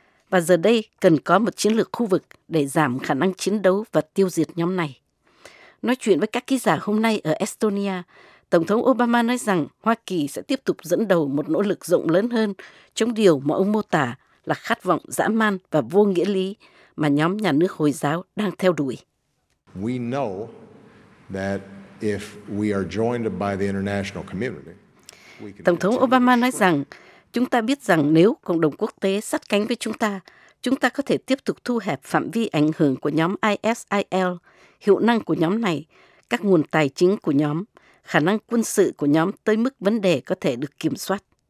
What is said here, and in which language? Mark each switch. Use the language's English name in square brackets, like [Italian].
[Vietnamese] Và giờ đây cần có một chiến lược khu vực để giảm khả năng chiến đấu và tiêu diệt nhóm này. Nói chuyện với các ký giả hôm nay ở Estonia, Tổng thống Obama nói rằng Hoa Kỳ sẽ tiếp tục dẫn đầu một nỗ lực rộng lớn hơn chống điều mà ông mô tả là khát vọng dã man và vô nghĩa lý mà nhóm nhà nước Hồi giáo đang theo đuổi. [English] We know that if we are joined by the international community, we can. [Vietnamese] Tổng thống Obama nói rằng chúng ta biết rằng nếu cộng đồng quốc tế sát cánh với chúng ta có thể tiếp tục thu hẹp phạm vi ảnh hưởng của nhóm ISIL, hiệu năng của nhóm này, các nguồn tài chính của nhóm, khả năng quân sự của nhóm tới mức vấn đề có thể được kiểm soát.